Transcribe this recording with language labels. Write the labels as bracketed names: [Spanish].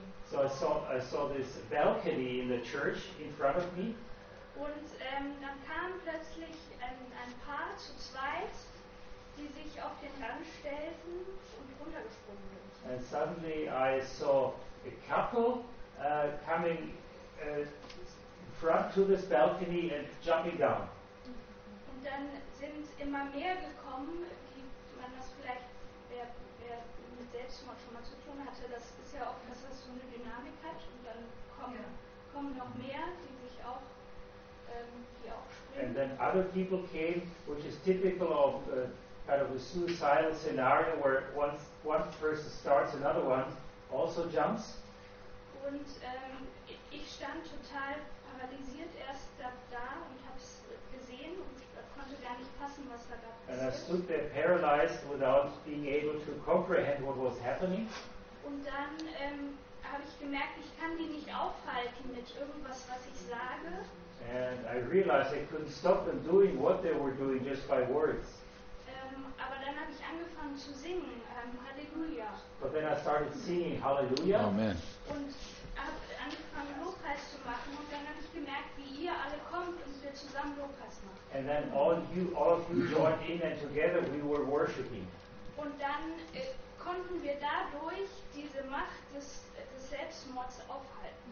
[English] So I saw this balcony in the church in front of me. [German] Und dann kam plötzlich ein Paar zu zweit, die sich auf den Rand stellten und runtergesprungen sind. [English] And suddenly I saw a couple coming in front to this balcony and jumping down. [German] Und dann sind immer mehr gekommen, wie man das vielleicht mit Selbstmord schon mal zu tun hatte. Das ist ja auch, dass das so eine Dynamik hat und dann kommen noch mehr, die sich auch die auch springen. [English] And then other people came, which is typical of kind of a suicidal scenario where one person starts, another one also jumps. [German] Und ich stand total paralysiert erst da und habe es gesehen und konnte gar nicht fassen, was da passiert. [English] And I stood there paralyzed without being able to comprehend what was happening. [German] Und dann habe ich gemerkt, ich kann die nicht aufhalten mit irgendwas, was ich sage. [English] And I realized I couldn't stop them doing what they were doing just by words. [German] Aber dann habe ich angefangen zu singen, Halleluja. [English] But then I started singing Hallelujah. Amen. [German] Und habe angefangen Lobpreis zu machen und dann habe ich gemerkt, wie ihr alle kommt und wir zusammen Lobpreis machen. [English] And then all of you joined in and together we were worshiping. [German] Und dann konnten wir dadurch diese Macht des Selbstmords aufhalten.